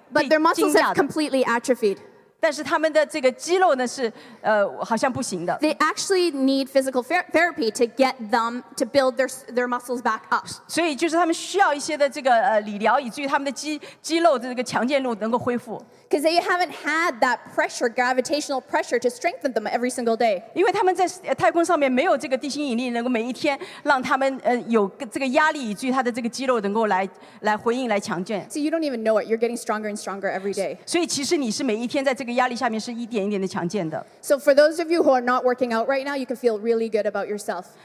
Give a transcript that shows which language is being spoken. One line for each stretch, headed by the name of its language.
English: But their muscles have completely atrophied.
Chinese: 但是他们的这个肌肉呢是好像不行的。
English: They actually need physical therapy to get them to build their muscles back up.
Chinese: 所以就是他们需要一些的这个理疗，以至于他们的肌肉的这个强健度能够恢复。
English: Because they haven't had that pressure, gravitational pressure to strengthen them every single day.
Chinese: 因为他们在太空上面没有这个地心引力，能够每一天让他们有这个压力，以至于他的这个肌肉能够来回应来强健。
English: So you don't even know it. You're getting stronger and stronger every day.
Chinese: 所以其实你是每一天在这个压
English: So for those of you who are not working out right now, you can feel really good about yourself.